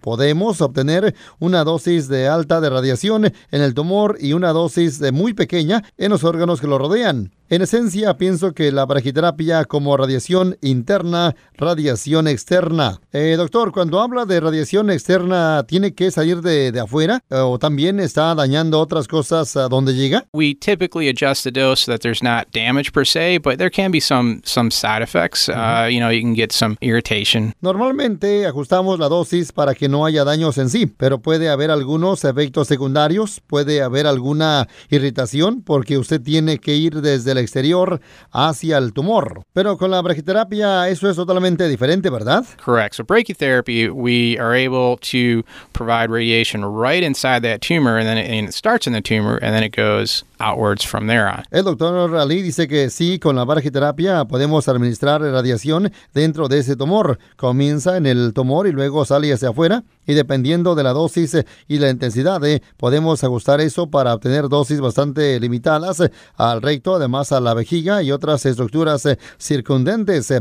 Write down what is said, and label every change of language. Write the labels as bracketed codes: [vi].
[es] Podemos obtener una dosis de alta de radiación en el tumor y una dosis de muy pequeña en los órganos que lo rodean. En esencia, pienso que la braquiterapia como radiación interna, radiación externa. Doctor, cuando habla de radiación externa, ¿tiene que salir de afuera? ¿O también está dañando otras cosas a donde llega? [en] We typically adjust the dose so that there's not damage per se, but there can be some side effects. You know, you can get some irritation. [es] Normalmente ajustamos la dosis para que no haya daños en sí, pero puede haber algunos efectos secundarios, puede haber alguna irritación, porque usted tiene que ir desde del exterior hacia el tumor. Pero con la braquiterapia eso es totalmente diferente, ¿verdad? [en] Correct. So brachytherapy, we are able to provide radiation right inside that tumor, and then it starts in the tumor, and then it goes outwards from there on. [es] El doctor Ali dice que sí, con la braquiterapia podemos administrar radiación dentro de ese tumor. Comienza en el tumor y luego sale hacia afuera. Y dependiendo de la dosis y la intensidad, podemos ajustar eso para obtener dosis bastante limitadas al recto, además a la vejiga y otras estructuras circundantes.